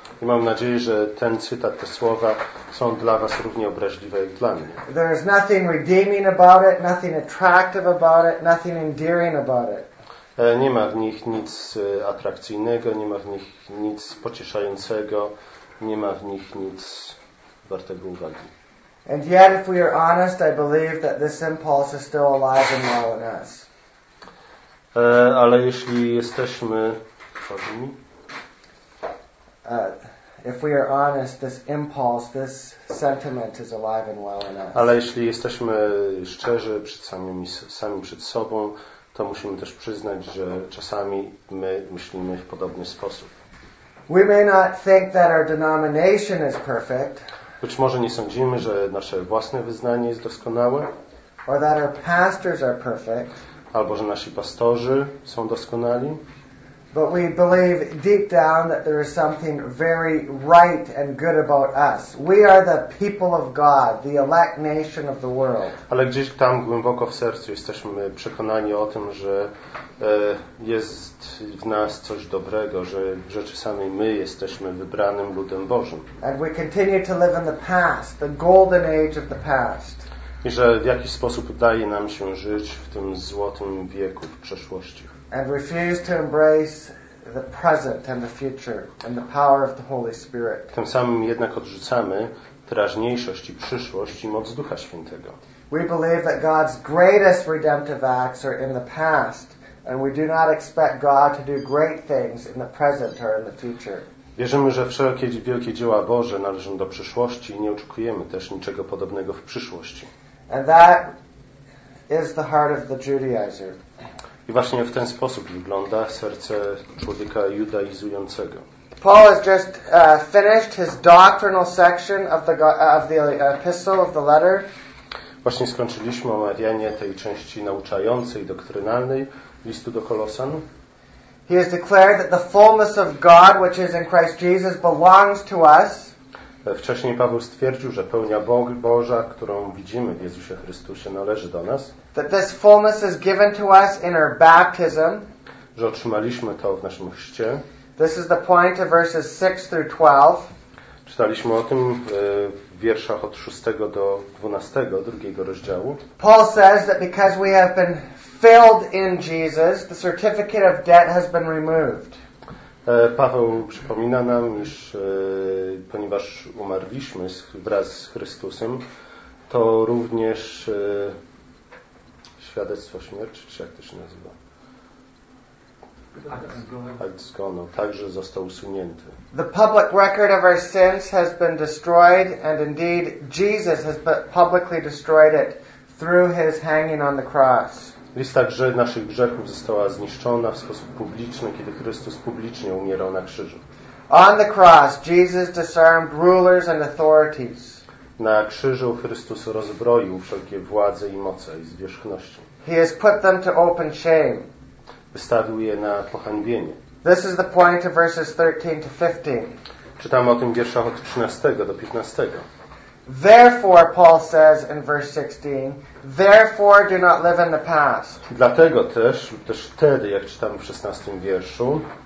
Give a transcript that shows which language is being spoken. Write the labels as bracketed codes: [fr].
[pl] I mam nadzieję, że ten cytat, te słowa są dla was równie obraźliwe jak dla mnie. [en] There is nothing redeeming about it, nothing attractive about it, nothing endearing about it. [pl] Nie ma w nich nic atrakcyjnego, nie ma w nich nic pocieszającego, nie ma w nich nic wartego uwagi. [en] And yet, if we are honest, I believe that this impulse is still alive and well in us. [pl] Ale jeśli jesteśmy, chodzi mi? [en] If we are honest, this impulse, this sentiment is alive and well in us. [pl] Ale jeśli jesteśmy szczerzy przed sami przed sobą, to musimy też przyznać, że czasami my myślimy w podobny sposób. [en] We may not think that our denomination is perfect. [pl] Być może nie sądzimy, że nasze własne wyznanie jest doskonałe. [en] Or that our pastors are perfect. [pl] Albo że nasi pastorzy są doskonali. [en] But we believe deep down that there is something very right and good about us. We are the people of God, the elect nation of the world. [pl] Ale gdzieś tam głęboko w sercu jesteśmy przekonani o tym, że jest w nas coś dobrego, że w rzeczy samej my jesteśmy wybranym ludem Bożym. [en] And we continue to live in the past, the golden age of the past. [pl] I że w jakiś sposób daje nam się żyć w tym złotym wieku w przeszłości. [en] And refuse to embrace the present and the future and the power of the Holy Spirit. [pl] Tym samym jednak odrzucamy teraźniejszość i przyszłość i moc Ducha Świętego. [en] We believe that God's greatest redemptive acts are in the past and we do not expect God to do great things in the present or in the future. [pl] Wierzymy, że wszelkie wielkie dzieła Boże należą do przyszłości i nie oczekujemy też niczego podobnego w przyszłości. [en] And that is the heart of the Judaizer. [pl] I właśnie w ten sposób wygląda serce człowieka judaizującego. [en] Paul has just finished his doctrinal section of the epistle of the letter. [pl] Właśnie skończyliśmy omawianie tej części nauczającej, doktrynalnej listu do Kolosan. [en] He has declared that the fullness of God, which is in Christ Jesus, belongs to us. [pl] Wcześniej Paweł stwierdził, że pełnia Boża, którą widzimy w Jezusie Chrystusie, należy do nas. [en] That this fullness is given to us in our baptism. [pl] Że otrzymaliśmy to w naszym chrzcie. [en] This is the point of verses 6 through 12. [pl] Czytaliśmy o tym w wierszach od 6 do 12, drugiego rozdziału. [en] Paul says that because we have been filled in Jesus, the certificate of debt has been removed. [pl] Paweł przypomina nam, iż ponieważ umarliśmy wraz z Chrystusem, to również świadectwo śmierci, czy jak to się nazywa? [en] Act is gone. [pl] Także został usunięty. [en] The public record of our sins has been destroyed, and indeed Jesus has publicly destroyed it through his hanging on the cross. [pl] Lista naszych grzechów została zniszczona w sposób publiczny, kiedy Chrystus publicznie umierał na krzyżu. [en] On the cross, Jesus disarmed rulers and authorities. [pl] Na krzyżu Chrystus rozbroił wszelkie władze i moce i zwierzchności. [en] He has put them to open shame. [pl] Wystawił je na pohańbienie. [en] This is the point of verses 13 to 15. [pl] Czytamy o tym w wierszach od 13 do 15. [en] Therefore, Paul says in verse 16, therefore do not live in the past. [pl] Dlatego też wtedy, jak czytamy w 16 wierszu.